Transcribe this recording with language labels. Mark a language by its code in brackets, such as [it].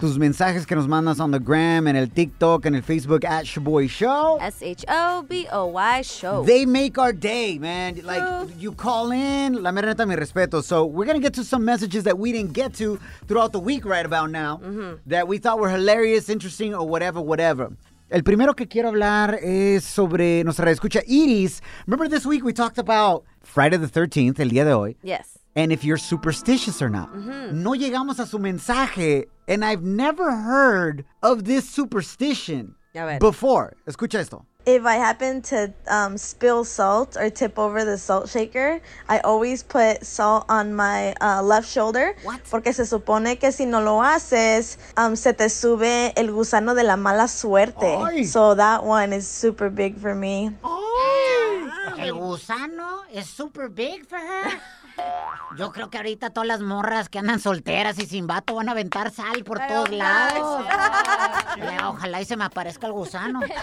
[es] Tus mensajes que nos mandas on the gram, en el TikTok, en el Facebook, at Shaboy Show. [en] S-H-O-B-O-Y Show. They make our day, man. Like, you call in, la mera neta, mi respeto. So, we're gonna get to some messages that we didn't get to throughout the week right about now, that we thought were hilarious, interesting, or whatever. [es] El primero que quiero hablar es sobre nuestra radioescucha Iris. [en] Remember this week we talked about Friday the 13th, el día de hoy. Yes. And if you're superstitious or not. Mm-hmm. [es] No llegamos a su mensaje. [en] And I've never heard of this superstition before. [es] Escucha esto. [en] If I happen to spill salt or tip over the salt shaker, I always put salt on my left shoulder. What? [es] Porque se supone que si no lo haces, se te sube el gusano de la mala suerte. Ay. [en] So that one is super big for me. Ay. El gusano is super big for her? [es] Yo creo que ahorita todas las morras que andan solteras y sin vato van a aventar sal por todos lados. Yeah, ojalá y se me aparezca el gusano.